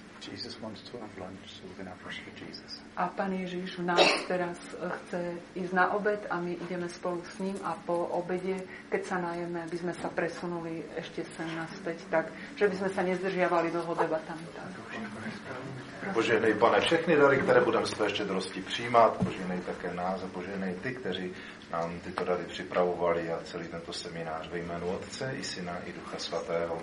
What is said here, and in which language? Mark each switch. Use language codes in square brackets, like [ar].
[en] Jesus wants to have lunch, so we're going to approach for Jesus. [sk] A Pán Ježiš nás teraz chce ísť na obed a my ideme spolu s ním a po obede, keď sa najeme, aby sme sa presunuli ešte sem naspäť, tak, že by sme sa nezdržiavali dlho debatami. [cs] Požehnej, Pane, všechny dary, které budeme z té štědrosti přijímat, požehnej také nás a požehnej ty, kteří nám tyto dary připravovali a celý tento seminář ve jménu Otce i Syna i Ducha Svatého.